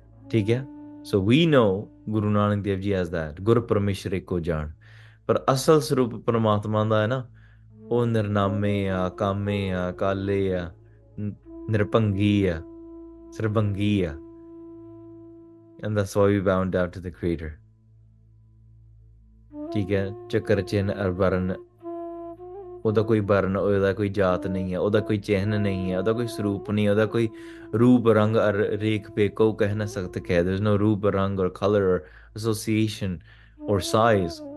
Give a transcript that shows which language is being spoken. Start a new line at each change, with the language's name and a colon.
Punjabi: ਠੀਕ ਹੈ,
English: so we know
Punjabi: Guru Nanak Dev ji as that, ਗੁਰ ਪਰਮੇਸ਼ਰ ਇੱਕੋ ਜਾਣ. ਪਰ ਅਸਲ ਸਰੂਪ ਪਰਮਾਤਮਾ ਦਾ ਹੈ ਨਾ, ਉਹ ਨਿਰਨਾਮੇ ਆ, ਕਾਮੇ ਆ, ਕਾਲੇ ਆ, ਨਿਰਭੰਗੀ ਆ, ਸਰਭੰਗੀ ਆ.
English: And that's why we bow down to the Creator.
Punjabi: ਠੀਕ ਹੈ, ਚੱਕਰ ਚਿੰਨ ਅਰ ਵਰਨ, ਉਹਦਾ ਕੋਈ ਵਰਨ, ਉਹਦਾ ਕੋਈ ਜਾਤ ਨਹੀਂ ਹੈ, ਉਹਦਾ ਕੋਈ ਚਿਹਨ ਨਹੀਂ ਹੈ, ਉਹਦਾ ਕੋਈ ਸਰੂਪ ਨਹੀਂ, ਉਹਦਾ ਕੋਈ ਰੂਪ ਰੰਗ ਅਰ ਰੇਖ ਪੇਕੋ ਕਹਿ ਨਾ ਸਕਤ ਕਹਿ.
English: There is no ਰੂਪ ਰੰਗ ਔਰ ਕਲਰ ਔਰ ਐਸੋਸੀਏਸ਼ਨ ਔਰ ਸਾਈਜ਼.